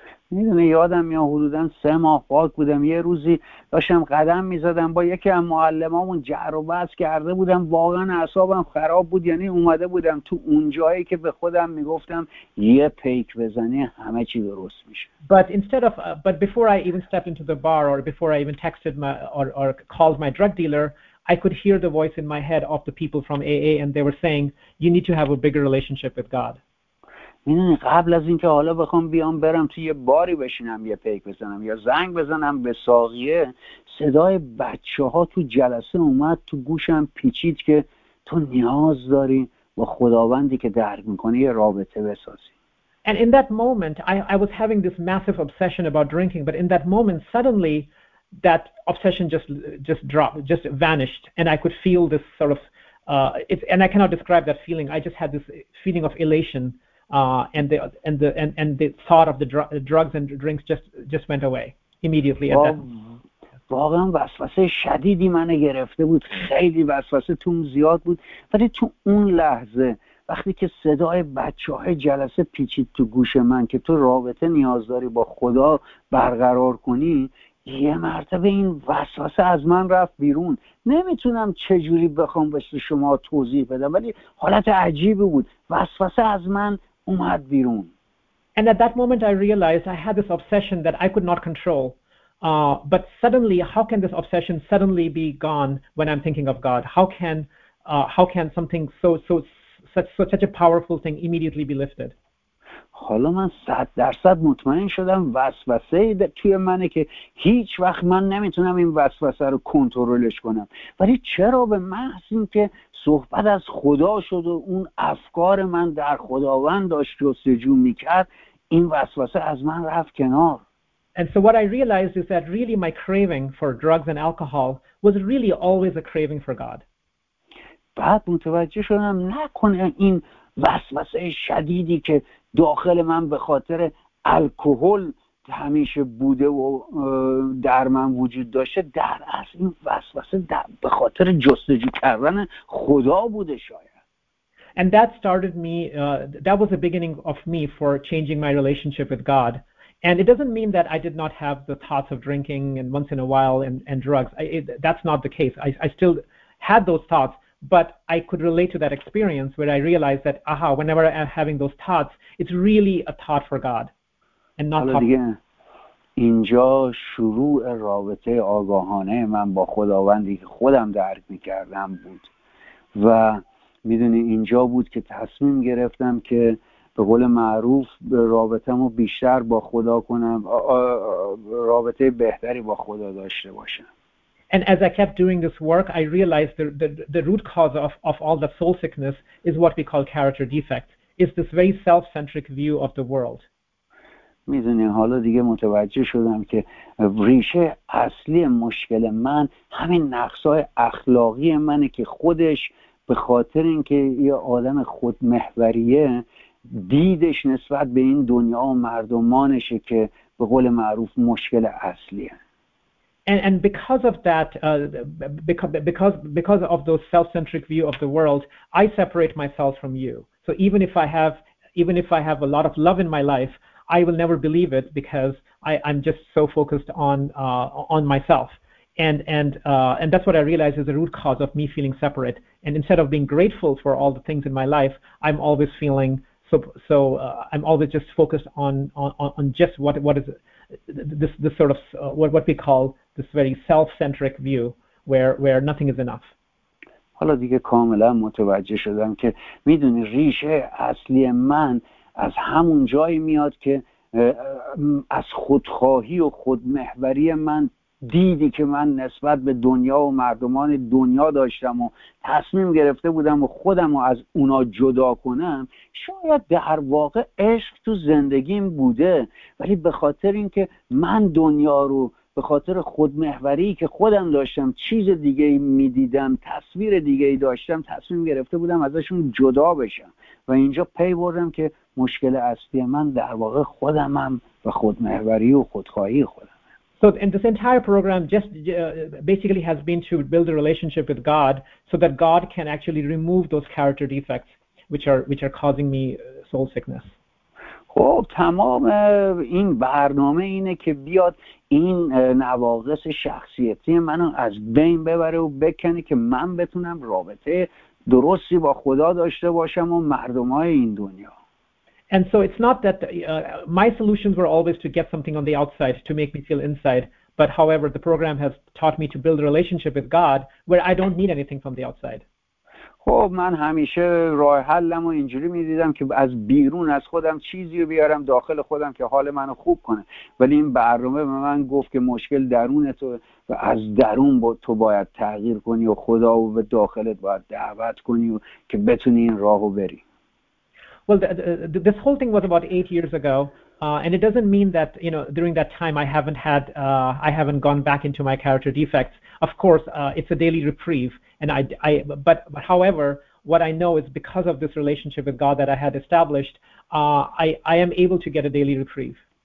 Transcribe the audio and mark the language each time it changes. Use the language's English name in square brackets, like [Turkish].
[Persian] میدونی یادم میاد حدوداً 3 ماه پاک بودم، یه روزی داشتم قدم میزدم با یکی از معلمامون، جر و بحث کرده بودم، واقعا اعصابم خراب بود، یعنی اومده بودم تو اون جایی که به خودم میگفتم یه پیک بزنی همه چی درست میشه. [English] But before I even stepped into the bar, or before I even texted my or called my drug dealer, I could hear the voice in my head of the people from AA, and they were saying you need to have a bigger relationship with God. [Persian] میدونی قبل از اینکه حالا بخوام بیام برم توی یه باری بشینم یه پیک بزنم یا زنگ بزنم به ساقیه، صدای بچه ها تو جلسه اومد تو گوشم پیچید که تو نیاز داری با خداوندی که درک میکنی یه رابطه بسازی. [English] And in that moment I was having this massive obsession about drinking, but in that moment suddenly that obsession just dropped, just vanished, and I could feel this sort of and I cannot describe that feeling. I just had this feeling of elation and the thought of the drugs and drinks just went away immediately at that. [Persian] واقعا وسوسه شدیدی منو گرفته بود، خیلی وسوسه توم زیاد بود، ولی تو اون لحظه وقتی که صدای بچه‌های جلسه پیچید تو گوش من که تو رابطه نیاز داری با خدا برقرار کنی، یه مرتبه این وسوسه از من رفت بیرون. نمیتونم چجوری بخوام واسه شما توضیح بدم، ولی حالت عجیبی بود، وسوسه از من اومد بیرون. [English] And at that moment I realized I had this obsession that I could not control. But suddenly, how can this obsession suddenly be gone when I'm thinking of God? How can something such a powerful thing immediately be lifted? [Persian] حالا من 100% مطمئن شدم وسوسه توی منه که هیچ وقت من نمیتونم این وسوسه رو کنترلش کنم. ولی چرا به محض اینکه صحبت از خدا شد و اون افکار من در خداوند داشت جستجو میکرد، این وسوسه از من رفت کنار. [English] And so what I realized is that really my craving for drugs and alcohol was really always a craving for God. [Persian] بعد متوجه شدم نکنه این وسوسه شدیدی که داخل من به خاطر الکل همیشه بوده و در من وجود داشته، در اصل این وسوسه به خاطر جستجو کردن خدا بوده شاید. [English] And that started me, that was the beginning of me for changing my relationship with God. And it doesn't mean that I did not have the thoughts of drinking and once in a while and drugs. That's not the case. I still had those thoughts. But I could relate to that experience where I realized that, aha, whenever I'm having those thoughts, it's really a thought for God and not talking. [Persian] اینجا شروع رابطه آگاهانه من با خداوندی که خودم درک می‌کردم بود. و می‌دونی اینجا بود که تصمیم گرفتم که به قول معروف رابطه‌مو بیشتر با خدا کنم، رابطه بهتری با خدا داشته باشم. [English] And as I kept doing this work, I realized the root cause of all the soul sickness is what we call character defect. It's this very self-centric view of the world. [Persian] میدونی حالا دیگه متوجه شدم که ریشه اصلی مشکل من همین نقصای اخلاقی منه که خودش به خاطر اینکه یه آدم خودمحوریه، دیدش نسبت به این دنیا و مردمانشه که به قول معروف مشکل اصلیه. [English] And because of that, because of those self-centric view of the world, I separate myself from you. So even if I have a lot of love in my life, I will never believe it because I'm just so focused on myself. And that's what I realize is the root cause of me feeling separate. And instead of being grateful for all the things in my life, I'm always feeling so I'm always just focused on just what is this sort of what we call this very self-centric view where nothing is enough. [Persian] حالا دیگه کاملا متوجه شدم که میدونی ریشه اصلی من از همون جایی میاد که از خودخواهی و خودمحوری من، دیدی که من نسبت به دنیا و مردمان دنیا داشتم و تصمیم گرفته بودم و خودم رو از اونا جدا کنم، شاید در واقع عشق تو زندگیم بوده، ولی به خاطر اینکه من دنیا رو و به خاطر خودمحوری که خودم داشتم چیز دیگه ای می دیدم، تصویر دیگه ای داشتم، تصمیم گرفته بودم ازشون جدا بشم و اینجا پی بردم که مشکل اصلی من در واقع خودمم و خودمحوری و خودخواهی خودم. [English] So in this entire program just basically has been to build a relationship with God so that God can actually remove those character defects which are causing me soul sickness. [Persian] خب تمام این برنامه اینه که بیاد این نواقص شخصیتی منو از بین ببره و بکنه که من بتونم رابطه درستی با خدا داشته باشم و مردمای این دنیا. [English] And so it's not that my solutions were always to get something on the outside to make me feel inside, but however the program has taught me to build a relationship with God where I don't need anything from the outside. [Persian] خب من همیشه راه حلم و اینجوری میدیدم که از بیرون از خودم چیزی رو بیارم داخل خودم که حال منو خوب کنه، ولی این برنامه به من گفت که مشکل درون تو و از درون با تو باید تغییر کنی و خدا رو به داخلت باید دعوت کنی و که بتونی این راه رو بری. [English] Well, this whole thing was about 8 years ago, and it doesn't mean that, you know, during that time I haven't gone back into my character defects. Of course, it's a daily reprieve, and but however, what I know is because of this relationship with God that I had established, I am able to get a daily reprieve.